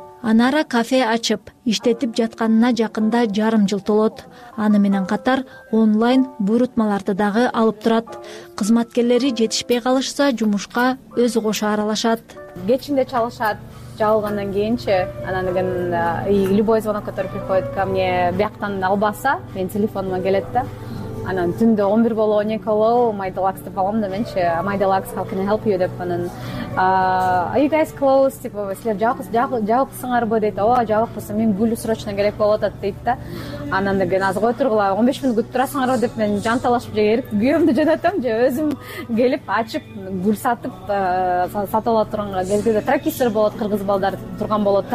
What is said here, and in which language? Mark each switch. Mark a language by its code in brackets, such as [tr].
[ky] Анара кафе ачып, иштетип жатканына жакында жарым жыл толот. Аны менен катар онлайн буйрутмаларды дагы алып турат. Кызматкерлери жетишпей калышса, жумушка өзү кошо аралашат. Кечинде чалышат, жабылгандан кийинчи. Анан деген [ru] любой звонок, который приходит ко мне, [ky] бияктан албаса, мен телефонума келет да. Анан түндө 11 болобу, 12 болобу, My Deluxe деп алам да, менчи My Deluxe, [en] how can I help you [ky] деп анан [en] Are you guys closed? [ky] Типа, силер жабыксыңарбы дейт. Ооба, жабыкпыз. Мен гүлү срочно керек болуп атат дейт да. Анан деген аз кое тургула, 15 мүнөт күтүп турасыңарбы деп мен жанталашып же эрип күйөөмдү жөнөтөм, же өзүм келип ачып гүл сатып сатып ала турганга келгенде тракистер болот, кыргыз балдар турган болот.